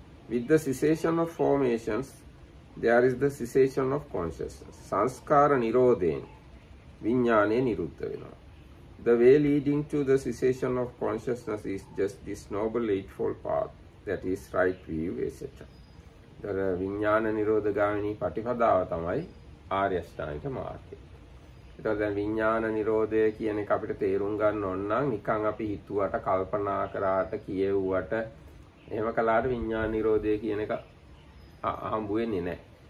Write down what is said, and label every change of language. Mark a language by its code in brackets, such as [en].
[en] With the cessation of formations, there is the cessation of consciousness. [si] සංස්කාර නිරෝධයෙන් විඥානය නිරුද්ධ වෙනවා. [en] The way leading to the cessation of consciousness is just this noble eightfold path, that is right view, etc. [si] විඥාන නිරෝධගාමිනී ප්‍රතිපදාව තමයි ආර්ය අෂ්ටාංගික මාර්ගය. දැන් විඥාන නිරෝධය කියන එක අපිට තේරුම් ගන්න ඕන නම් නිකන් අපි හිතුවට කල්පනා කරාට කියෙව්වට එහෙම කළාට විඥාන නිරෝධය කියන එක හම්බු වෙන්නේ නැහැ.